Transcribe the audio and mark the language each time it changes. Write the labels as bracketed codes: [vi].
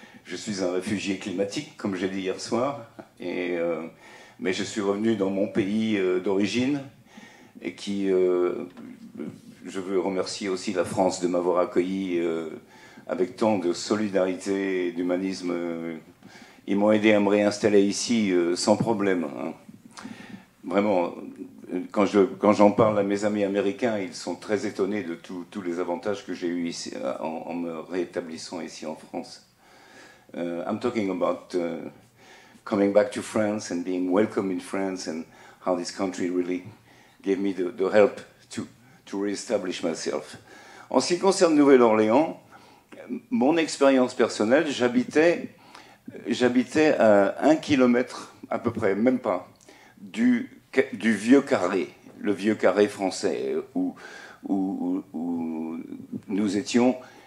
[fr] Je suis un réfugié climatique, comme j'ai dit hier soir, mais je suis revenu dans mon pays d'origine, et qui, je veux remercier aussi la France de m'avoir accueilli avec tant de solidarité et d'humanisme. Ils m'ont aidé à me réinstaller ici sans problème. Hein. Vraiment, quand j'en parle à mes amis américains, ils sont très étonnés de tous les avantages que j'ai eus ici, en me rétablissant ici en France. [en] I'm talking about coming back to France and being welcome in France and how this country really gave me the help to re-establish myself. [fr] En ce qui concerne Nouvelle-Orléans, mon expérience personnelle, j'habitais à un kilomètre à peu près, même pas, du vieux carré, le vieux carré français où nous étions.